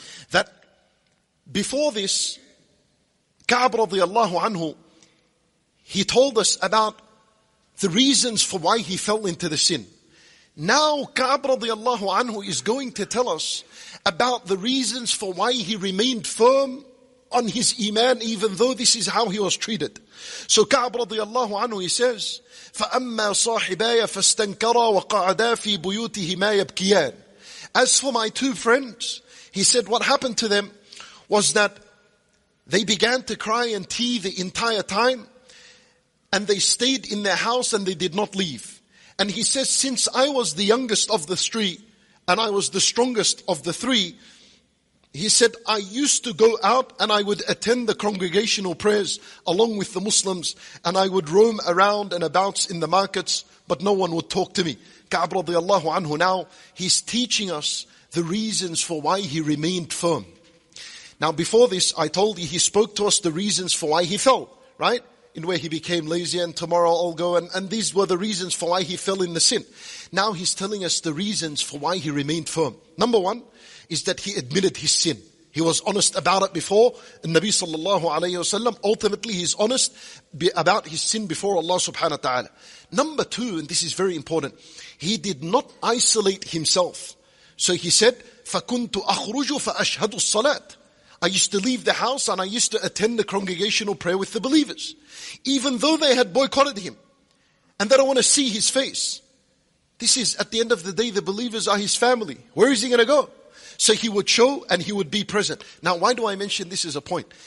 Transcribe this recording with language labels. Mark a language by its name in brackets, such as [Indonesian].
[English] That before this, Ka'ab radiallahu anhu, he told us about the reasons for why he fell into the sin. Now Ka'ab radiallahu anhu is going to tell us about the reasons for why he remained firm on his iman, even though this is how he was treated. So Ka'ab radiallahu anhu, he says, [Arabic] فَأَمَّا صَاحِبَايَ فَاسْتَنْكَرَا وَقَعَدَا فِي بُيُوتِهِمَا يَبْكِيَانَ. [English] As for my two friends, he said, what happened to them was that they began to cry and tear the entire time, and they stayed in their house and they did not leave. And he says, since I was the youngest of the three, and I was the strongest of the three, he said, I used to go out and I would attend the congregational prayers along with the Muslims, and I would roam around and about in the markets, but no one would talk to me. Ka'ab radiallahu anhu, now he's teaching us the reasons for why he remained firm. Now before this, I told you, he spoke to us the reasons for why he fell, right? In where he became lazy and tomorrow I'll go. And these were the reasons for why he fell in the sin. Now he's telling us the reasons for why he remained firm. Number one is that he admitted his sin. He was honest about it before the Nabi sallallahu alayhi wa sallam. Ultimately, he's honest about his sin before Allah subhanahu wa ta'ala. Number two, and this is very important, he did not isolate himself. So he said, [Arabic] فَكُنْتُ أَخْرُجُ فَأَشْهَدُ الصَّلَاةِ. [English] I used to leave the house and I used to attend the congregational prayer with the believers. Even though they had boycotted him. And they don't want to see his face. This is, at the end of the day, the believers are his family. Where is he going to go? So he would show and he would be present. Now, why do I mention this as a point?